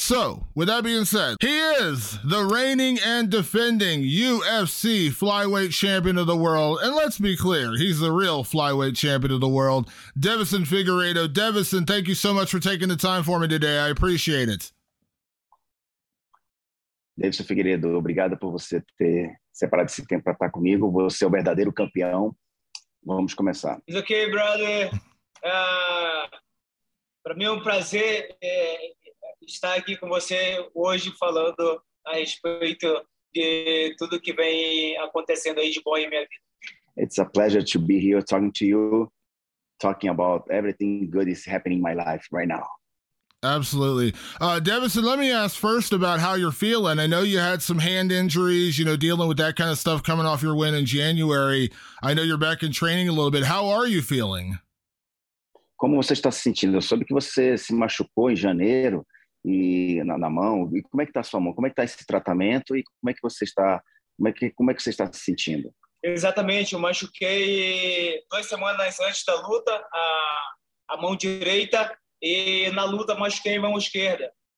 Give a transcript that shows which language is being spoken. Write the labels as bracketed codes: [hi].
[en] So, with that being said, he is the reigning and defending UFC flyweight champion of the world. And let's be clear, he's the real flyweight champion of the world, Deiveson Figueiredo. Deiveson, thank you so much for taking the time for me today. I appreciate it. [pt] Deiveson Figueiredo, obrigado por você ter separado esse tempo para estar comigo. Você é o verdadeiro campeão. Vamos começar. [en] It's okay, brother. [pt] Para mim é um prazer estar aqui com você hoje falando a respeito de tudo que vem acontecendo aí de bom em minha vida. [en] It's a pleasure to be here talking to you, talking about everything good is happening in my life right now. Absolutely. Deiveson, let me ask first about how you're feeling. I know you had some hand injuries, you know, dealing with that kind of stuff coming off your win in January. I know you're back in training a little bit. How are you feeling? [pt] Como você está se sentindo? Eu soube que você se machucou em janeiro e na mão. E como é que está a sua mão? Como é que está esse tratamento? E como é que você está? Como é que você está se sentindo? Exatamente, eu machuquei 2 semanas antes da luta a mão direita e na luta machuquei a mão esquerda.